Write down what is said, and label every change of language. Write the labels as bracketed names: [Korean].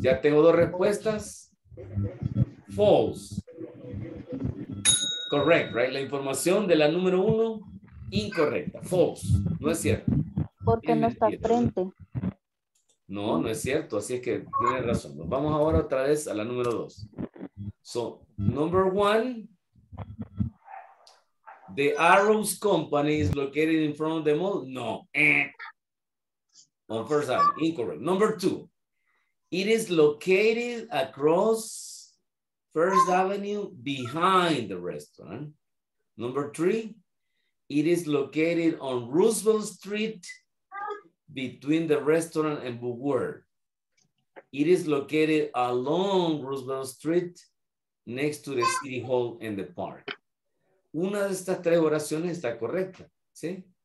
[Spanish] Ya tengo dos respuestas. [English] False. Correct, right? [Spanish] La información de la número uno, incorrecta. False. No es cierto. Porque no está frente. No, no es cierto. Así es que tiene razón. Nos vamos ahora otra vez a la número dos. [English] So, number one. The Arrows Company is located in front of the mall? No. On First Avenue, incorrect. Number two, it is located across First Avenue behind the restaurant. Number three, it is located on Roosevelt Street between the restaurant and Bouvard. It is located along Roosevelt Street next to the City Hall and the park. [Spanish] Una de estas tres oraciones está correcta, ¿sí?